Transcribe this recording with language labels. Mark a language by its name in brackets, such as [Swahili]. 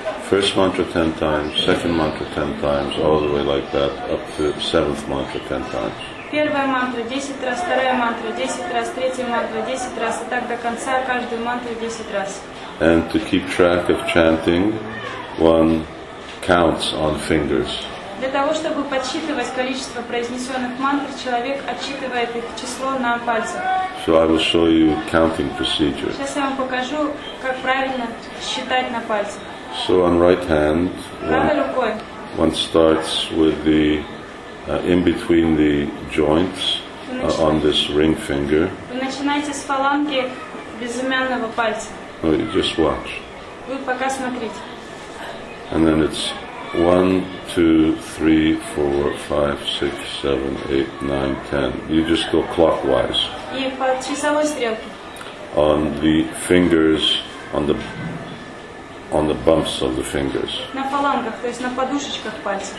[English] First mantra 10 times, second mantra 10 times, all the way like that, up to 7th mantra 10 times. [Russian] Первая мантра 10 раз, вторая мантра 10 раз, третья мантра 10 раз, и так до конца каждую мантру 10 раз. [English] And to keep track of chanting, one counts on fingers. [Russian] Для того чтобы подсчитывать количество произнесенных мантр, человек отсчитывает их число на пальцах. [English] So I will show you counting procedure. [Russian] Сейчас я вам покажу, как правильно считать на пальцах. [English] So on right hand, one starts with the in between the joints on this ring finger. [Russian] Вы начинаете с фаланги безымянного пальца. [English] No, you just watch. [Russian] Вы пока смотрите. [English] And then it's 1, 2, 3, 4, 5, 6, 7, 8, 9, 10. You just go clockwise. [Russian] И по часовой стрелке. [English] On the fingers, on the bumps of the fingers. [Russian] На фалангах, то есть на подушечках пальцев.